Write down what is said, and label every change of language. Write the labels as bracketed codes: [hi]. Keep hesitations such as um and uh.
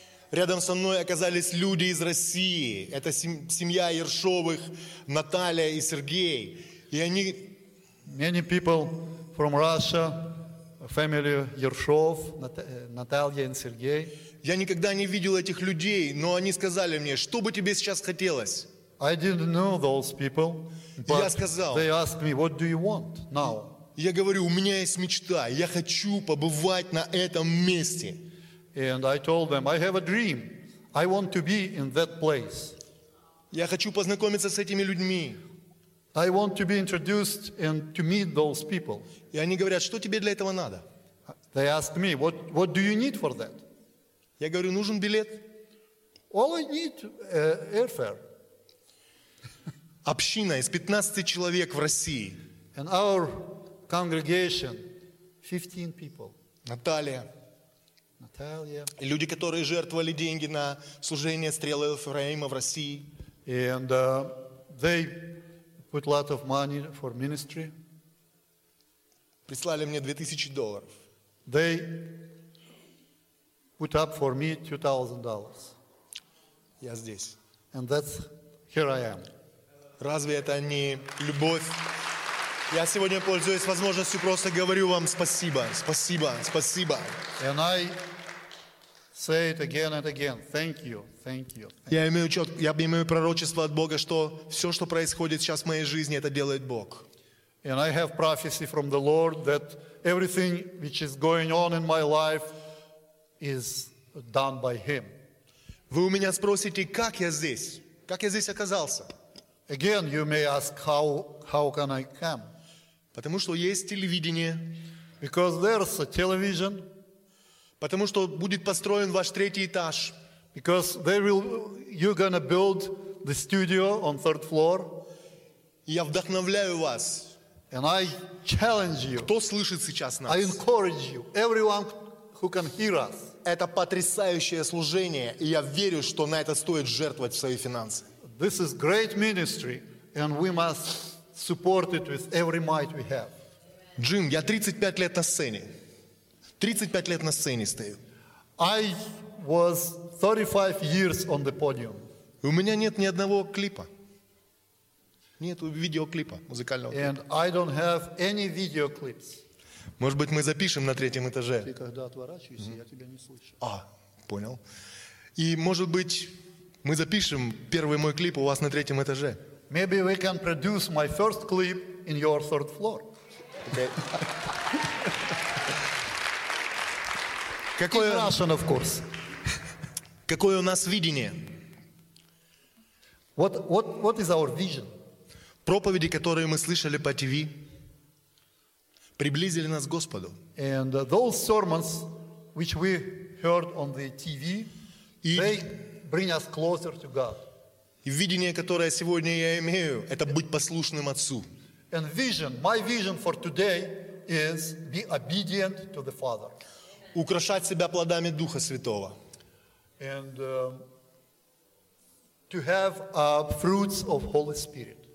[ru] Рядом со мной оказались люди из России. Это сем семья Ершовых, Наталья и Сергей. И они... [en] Many people from Russia, family Ершов, Natalia Нат and Сергей. [ru] Я никогда не видел этих людей, но они сказали мне, что бы тебе сейчас хотелось? [en] I didn't know those people, but [ru] я сказал, [en] they asked me, what do you want now? [ru] Я говорю, у меня есть мечта, я хочу побывать на этом месте. [en] And I told them, I have a dream, I want to be in that place. [ru] Я хочу познакомиться с этими людьми. [en] I want to be introduced and to meet those people. [ru] И они говорят, что тебе для этого надо? [en] They asked me, what, what do you need for that? [ru] Я говорю, нужен билет. [en] All I need, uh, airfare [ru] община из 15 человек в России. [en] And our congregation, 15 people. Наталья. Наталья. [ru] И люди, которые жертвовали деньги на служение стрелы Эфраима в России. [en] And uh, they put lot of money for ministry. [ru] Прислали мне 2000 долларов. [en] They put up for me $2,000. [ru] Я здесь. [en] And that's here I am. [ru] Разве это не любовь? Я сегодня пользуюсь возможностью, просто говорю вам спасибо, спасибо, спасибо. Я имею пророчество от Бога, что все, что происходит сейчас в моей жизни, это делает Бог. Вы у меня спросите, как я здесь? Как я здесь оказался? [en] Again, you may ask, how, how can I come? [ru] Потому что есть телевидение. [en] Because there's a television. [ru] Потому что будет построен ваш третий этаж. [en] Because they will, you're gonna build the studio on third floor. [ru] Я вдохновляю вас. [en] And I challenge you. [ru] Кто слышит сейчас нас? [en] I encourage you. Everyone who can hear us. [ru] Это потрясающее служение, и я верю, что на это стоит жертвовать свои финансы. [en] This is great ministry, and we must support it with every might we have. [ru] Джим, я 35 лет на сцене. 35 лет на сцене стою. [en] I was 35 years on the podium. [ru] У меня нет ни одного клипа. Нет видеоклипа музыкального. Клипа. [en] And I don't have any video clips. [ru] Может быть, мы запишем на третьем этаже. Ты когда отворачиваешься, mm -hmm. я тебя не слышу. А, понял. И, может быть, мы запишем первый мой клип у вас на третьем этаже. [en] Maybe we can produce my first clip in your third floor. Okay. [ru] Какое, [en] Russian, of course. [ru] Какое у нас видение? [en] What, what, what is our vision? [ru] Проповеди, которые мы слышали по ТВ, приблизили нас к Господу. [en] And those sermons, which we heard on the TV, и... they bring us closer to God. [ru] И видение, которое сегодня я имею, это быть послушным Отцу. [en] And vision, my vision for today is be obedient to the Father. [ru] Украшать себя плодами Духа Святого. [en] And um, to have uh, fruits of Holy Spirit.